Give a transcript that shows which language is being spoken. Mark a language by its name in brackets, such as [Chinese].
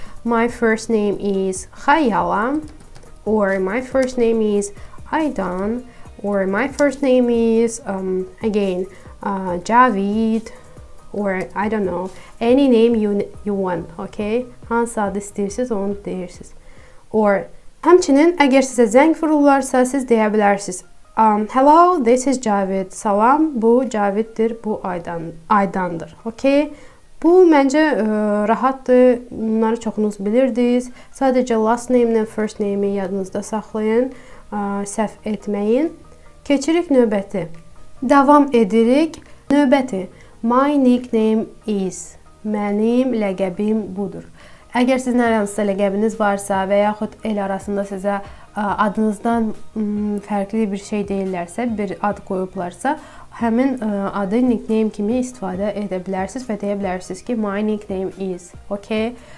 [English] My first name is Xayala. Or my first name is Aydan, or my first name is, Javed, or I don't know, any name you want, okay? [Azerbaijani] Hansı adı istəyirsiniz, onu deyirsiniz. [English] Or [Azerbaijani] Həmçinin, əgər sizə zəng vururlarsa, siz deyə bilərsiniz. [English] Hello, this is Cavid. [Azerbaijani] Salam, bu Cavid'dir, bu Aydandır. Okay? Bu, məncə, rahatdır. Bunları çoxunuz bilirdiniz. Sadəcə last name ilə first name-i yadınızda saxlayın. Səhv etməyin. Keçirik növbəti. Davam edirik. Növbəti. [English] My nickname is. [Azerbaijani] Mənim ləqəbim budur. Əgər sizin hər hansısa ləqəbiniz varsa və yaxud el arasında sizə adınızdan fərqli bir şey deyirlərsə, bir ad qoyublarsa, həmin adı nickname kimi istifadə edə bilərsiniz və deyə bilərsiniz ki, [English] my nickname is. [Azerbaijani] Okay?